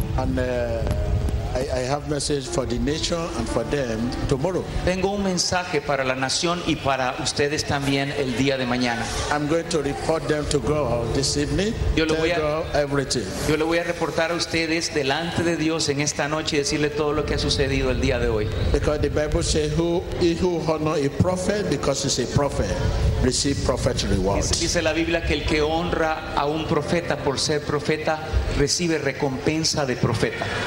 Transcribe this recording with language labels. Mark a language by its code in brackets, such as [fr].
[en] And I have message for the nation and for them tomorrow. [es] Tengo un mensaje para la nación y para ustedes también el día de mañana. [en] I'm going to report them to God this evening. [es] Yo le voy a reportar a ustedes delante de Dios en esta noche y decirle todo lo que ha sucedido el día de hoy. [en] Because the Bible says who honor a prophet because he's a prophet receive prophet rewards. [es] Dice la Biblia que el que honra a un profeta por ser profeta recibe recompensa de profeta.